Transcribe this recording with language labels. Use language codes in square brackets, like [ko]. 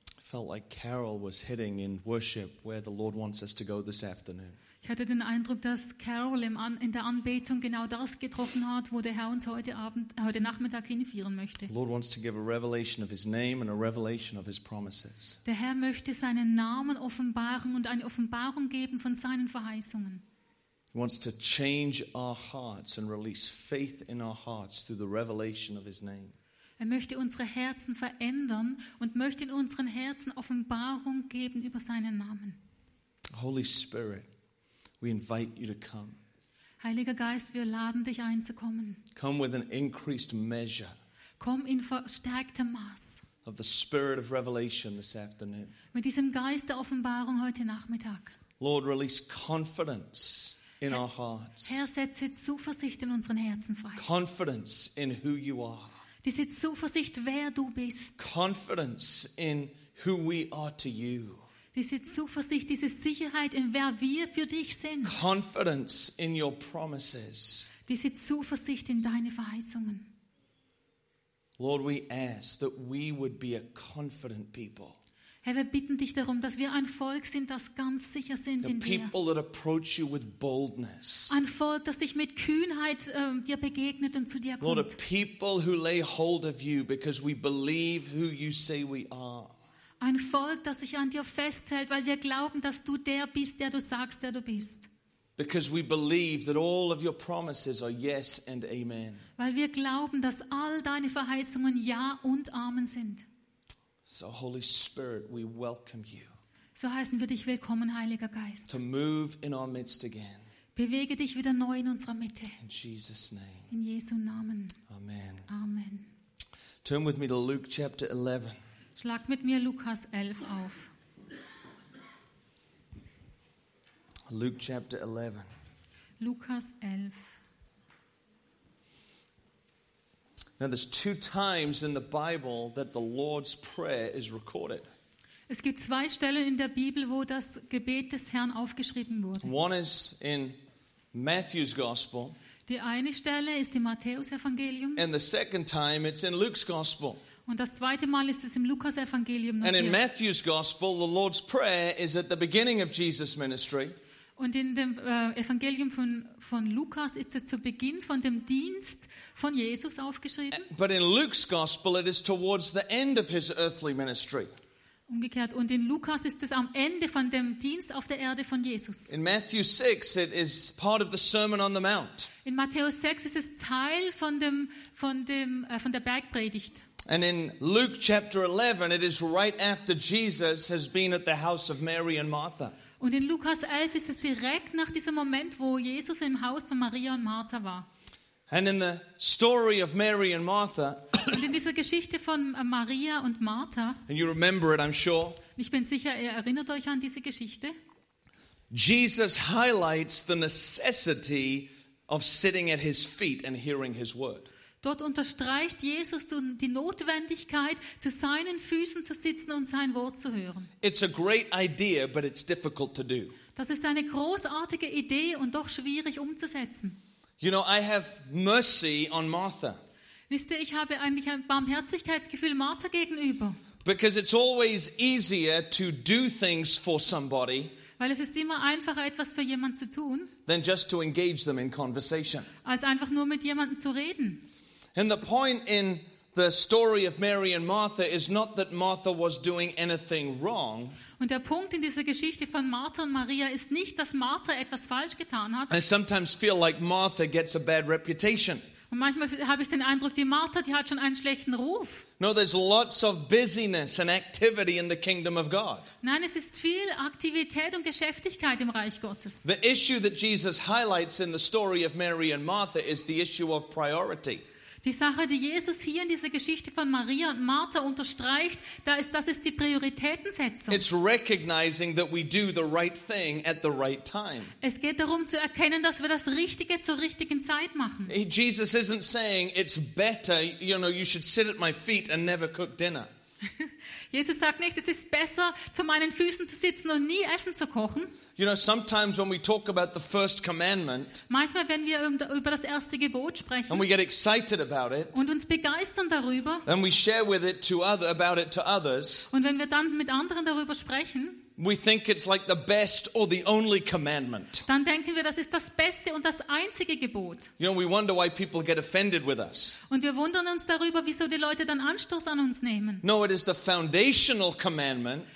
[en] felt like Carol was hitting in worship where the Lord wants us to go this afternoon. [de] Ich hatte den Eindruck, dass Carol in der Anbetung genau das getroffen hat, wo der Herr uns heute Abend, heute Nachmittag hinführen möchte. [en] The Lord wants to give a revelation of his name and a revelation of his promises. [de] Der Herr möchte seinen Namen offenbaren und eine Offenbarung geben von seinen Verheißungen. [en] He wants to change our hearts and release faith in our hearts through the revelation of his name. [de] Er möchte unsere Herzen verändern und möchte in unseren Herzen Offenbarung geben über seinen Namen. [en] Holy Spirit, we invite you to come. [de] Heiliger Geist, wir laden dich ein zu kommen. [en] Come with an increased measure. [de] Komm in verstärktem Maß. [en] Of the Spirit of Revelation this afternoon. [de] Mit diesem Geist der Offenbarung heute Nachmittag. [en] Lord, release confidence in our hearts. [de] Herr, setze Zuversicht in unseren Herzen frei. [en] Confidence in who you are. [de] Diese Zuversicht, wer du bist. [en] Confidence in who we are to you. [de] Diese Zuversicht, diese Sicherheit in wer wir für dich sind. [en] Confidence in your promises. [de] Diese Zuversicht in deine Verheißungen. [en] Lord, we ask that we would be a confident people. [de] Herr, wir bitten dich darum, dass wir ein Volk sind, das ganz sicher sind in dir. [en] People that approach you with boldness. [de] Ein Volk, das sich mit Kühnheit dir begegnet und zu dir kommt. [en] Lord, a people who lay hold of you because we believe who you say we are. [de] Ein Volk, das sich an dir festhält, weil wir glauben, dass du der bist, der du sagst, der du bist. [en] Because we believe that all of your promises are yes and amen. [de] Weil wir glauben, dass all deine Verheißungen ja und amen sind. [en] So Holy Spirit, we welcome you. [de] So heißen wir dich willkommen, Heiliger Geist. [en] To move in our midst again. [de] Bewege dich wieder neu in unserer Mitte. [en] In Jesus name. [de] In Jesu Namen. [en] Amen. [de] Amen. [en] Turn with me to Luke chapter 11. [de] Schlag mit mir Lukas 11 auf. [en] Luke chapter 11. [de] Lukas 11. [en] Now there's two times in the Bible that the Lord's Prayer is recorded. [de] Es gibt zwei Stellen in der Bibel, wo das Gebet des Herrn aufgeschrieben wurde. [en] One is in Matthew's Gospel. [de] Die eine Stelle ist im Matthäusevangelium. [en] And the second time it's in Luke's Gospel. [de] Und das zweite Mal ist es im Lukasevangelium. [en] And in Matthew's Gospel, the Lord's Prayer is at the beginning of Jesus' ministry. [de] Und in dem Evangelium von Lukas ist es zu Beginn von dem Dienst von Jesus aufgeschrieben. [en] But in Luke's Gospel it is towards the end of his earthly ministry. [de] Umgekehrt, und in Lukas ist es am Ende von dem Dienst auf der Erde von Jesus. [en] In Matthew 6 it is part of the Sermon on the Mount. [de] In Matthäus 6 ist es Teil von der Bergpredigt. [en] And in Luke chapter 11 it is right after Jesus has been at the house of Mary and Martha. [de] Und in Lukas 11 ist es direkt nach diesem Moment, wo Jesus im Haus von Maria und Martha war. [en] And in the story of Mary and Martha, [de] und in dieser Geschichte von Maria und Martha, [en] and you remember it, I'm sure, [de] ich bin sicher, ihr erinnert euch an diese Geschichte. [en] Jesus highlights the necessity of sitting at his feet and hearing his word. [de] Dort unterstreicht Jesus die Notwendigkeit, zu seinen Füßen zu sitzen und sein Wort zu hören. [en] It's a great idea, but it's difficult to do. [de] Das ist eine großartige Idee und doch schwierig umzusetzen. [en] You know, I have mercy on Martha. [de] Wisst ihr, ich habe eigentlich ein Barmherzigkeitsgefühl Martha gegenüber. [en] Because it's always easier to do things for somebody. [de] Weil es ist immer einfacher, etwas für jemanden zu tun, [en] than just to engage them in conversation. [de] Als einfach nur mit jemandem zu reden. [en] And the point in the story of Mary and Martha is not that Martha was doing anything wrong. [de] Und der Punkt in dieser Geschichte von Martha und Maria ist nicht, dass Martha etwas falsch getan hat. [en] I sometimes feel like Martha gets a bad reputation. [de] Und manchmal habe ich den Eindruck, die Martha, die hat schon einen schlechten Ruf. [en] No, there's lots of busyness and activity in the kingdom of God. [de] Nein, es ist viel Aktivität und Geschäftigkeit im Reich Gottes. [en] The issue that Jesus highlights in the story of Mary and Martha is the issue of priority. [de] Die Sache, die Jesus hier in dieser Geschichte von Maria und Martha unterstreicht, das ist die Prioritätensetzung. [en] It's recognizing that we do the right thing at the right time. [de] Es geht darum zu erkennen, dass wir das Richtige zur richtigen Zeit machen. [en] Jesus isn't saying it's better, you know, you should sit at my feet and never cook dinner. [de] Jesus sagt nicht, es ist besser, zu meinen Füßen zu sitzen und nie Essen zu kochen. [en] You know, sometimes when we talk about the first commandment, [de] manchmal, wenn wir über das erste Gebot sprechen, [en] and we get excited about it, [de] und uns begeistern darüber, [en] and we share with it to other, about it to others, [de] und wenn wir dann mit anderen darüber sprechen, [en] we think it's like the best or the only commandment. [de] Dann denken wir, das ist das beste und das einzige Gebot. [en] You know, we wonder why people get offended with us. [de] Und wir wundern uns darüber, wieso die Leute dann Anstoß an uns nehmen. [en] No, it is the foundational commandment.